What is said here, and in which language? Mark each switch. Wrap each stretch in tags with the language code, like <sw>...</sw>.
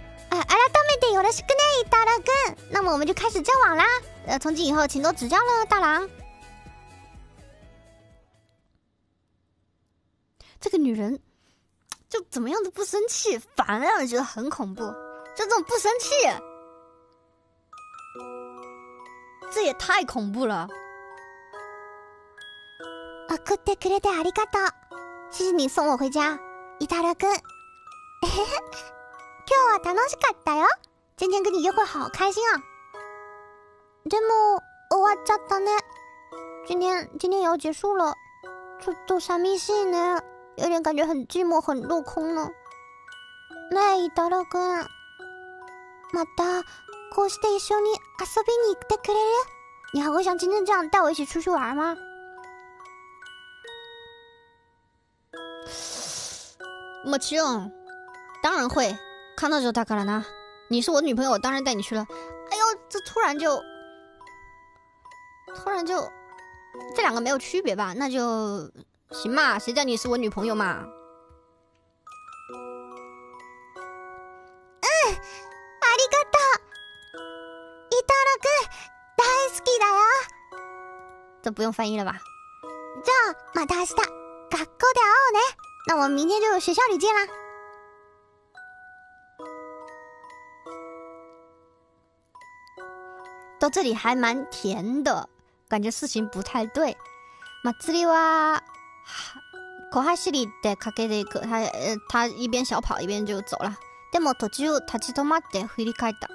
<ja>啊，改めてよろしくね、大郎君。</ja> <zh>那么我们就开始交往啦。从今以后，请多指教了，大郎。这个女人就怎么样都不生气，反而让人觉得很恐怖。就这种不生气。这也太恐怖了。</zh> <ja>送ってくれてありがとう。</ja> <zh>谢谢你送我回家。</zh> <ja>イタロ君。今日は楽しかったよ。</ja> <zh>今天跟你约会好开心啊。</zh> <ja>でも、終わっちゃったね。</ja> <zh>今天也要结束了。</zh> <ja>ちょっと寂しいね。</ja> <zh>有点感觉很寂寞、很落空呢。</zh> <ja>ねえ、イタロ君。また、こうして一緒に遊びに行ってくれる？</ja> <zh>你还会像今天这样带我一起出去玩吗？</zh> <ja>もちろん，</ja> <zh>当然会。看到就打开了呢。你是我女朋友，我当然带你去了。哎呦，这突然就，这两个没有区别吧？那就行嘛，谁叫你是我女朋友嘛？这不用翻译了吧？</zh> <ja>じゃあまた明日学校で会おうね。</ja> <zh>那我明天就学校里见啦。到这里还蛮甜的，感觉事情不太对。</zh> <ja>まつりは小走りでかけていく。</ja> <zh>他一边小跑一边就走了。</zh> <ja>でも途中立ち止まって振り返った。</ja>